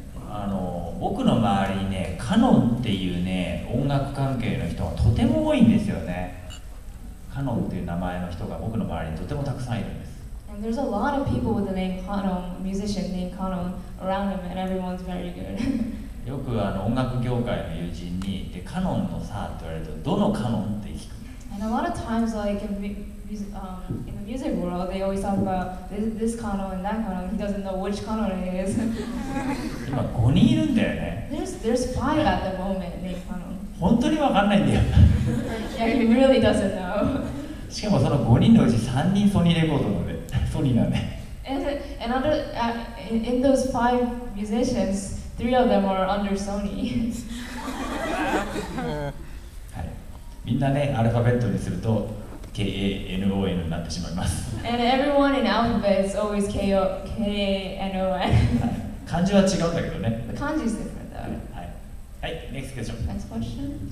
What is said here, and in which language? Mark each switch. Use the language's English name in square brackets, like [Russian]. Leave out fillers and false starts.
[Japanese] あの、僕の周りにね、カノンっていうね、音楽関係の人がとても多いんですよね。カノンっていう名前の人が僕の周りにとてもたくさんいるんです。 [English] And there's a lot of people with the name Kanon, musician named Kanon around them, and everyone's very good. [Japanese] よくあの音楽業界の友人に、で、カノンのさって言われると、どのカノンって聞く。 [English] And a lot of times, like in the music world, they always talk about this Kanon and that Kanon. He doesn't know which Kanon it is. [Japanese] 今五人いるんだよね。 [English] There's five at the moment named Kanon. [Japanese] 本当にわかんないんだよ。 [English] Yeah, he really doesn't know. [Japanese] しかもその五人のうち三人ソニーレコードなんで、ソニーなんで。 [English] And other in those five musicians, three of them are under Sony. [Japanese] みんなね、アルファベットにすると K-A-N-O-N になってしまいます。 [English] And everyone in alphabet is always K-A-N-O-N. [Japanese] 漢字は違うんだけどね。 [English] The 漢字is different, though. [Japanese] はい。はい、 [English] next question. Next question.